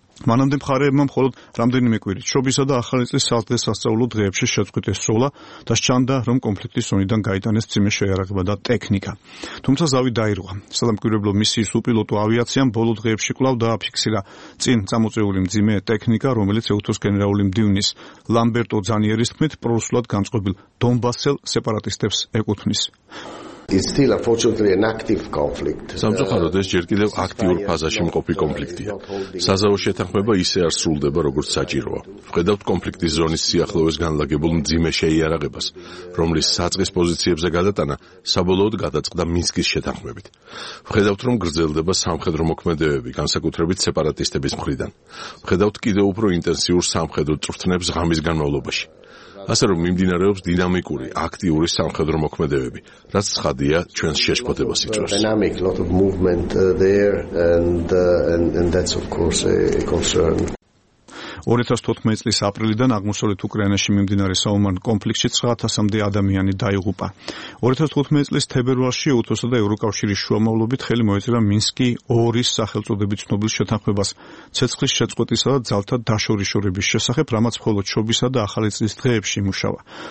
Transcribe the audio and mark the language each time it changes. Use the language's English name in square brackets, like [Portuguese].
[Georgian] მანამდე მხარეებმა მხოლოდ რამდენიმე კვირით, შობისა და ახალი წლის სასწაულო დღეებში შეწყვიტეს სროლა და სჩანდა, რომ კონფლიქტის ზონიდან გაიტანეს ძიმე შეიარაღება და ტექნიკა. თუმცა ზავი დაირღვა. სადამკვირვებლო მისიის უპილოტო ავიაციამ ბოლო დღეებში კვლავ დააფიქსირა წინ წამოწეული მძიმე ტექნიკა, რომელიც ეუთოს გენერალური მდივნის ლამბერტო ზანიერის თქმით პრორუსულად განწყობილ დონბასელ სეპარატისტებს ეკუთვნის. [English] It's still unfortunately an active conflict. [Georgian] სამწუხაროდ ეს ჯერ კიდევ აქტიურ ფაზაში მყოფი კონფლიქტია. საზავო შეთანხმება ისე არ სრულდება, როგორც საჭიროა. ვხედავთ კონფლიქტის ზონის სიახლოვეს განლაგებულ მძიმე შეიარაღებას, რომლის საწყის პოზიციებზე გადატანა საბოლოოდ გადაწყდა მინსკის შეთანხმებით. ვხედავთ, რომ გრძელდება სამხედრო მოქმედებები, განსაკუთრებით სეპარატისტების მხრიდან. ვხედავთ კიდევ უფრო ინტენსიურ სამხედრო წვრთნებს ღამის განმავლობაში. ასე რომ მიმდინარეობს დინამიკური, აქტიური სამხედრო მოქმედებები, რაც ცხადია ჩვენს შეშფოთებას იწვევს. [English] Dynamic lot of movement there and that's of course a concern. [Georgian] 2014 წლის აპრილიდან აღმოსავლეთ უკრაინაში მიმდინარე საომარ კონფლიქტში 9000-მდე ადამიანი დაიღუპა. 2015 წლის თებერვალში ეუთოსა და ევროკავშირის შუამავლობით ხელი მოეწერა მინსკი 2-ის სახელწოდებით ცნობილ შეთანხმებას ცეცხლის შეწყვეტისა და ძალთა დაშორიშორების შესახებ, რამაც მხოლოდ შობისა და ახალი წლის დღეებში იმუშავა.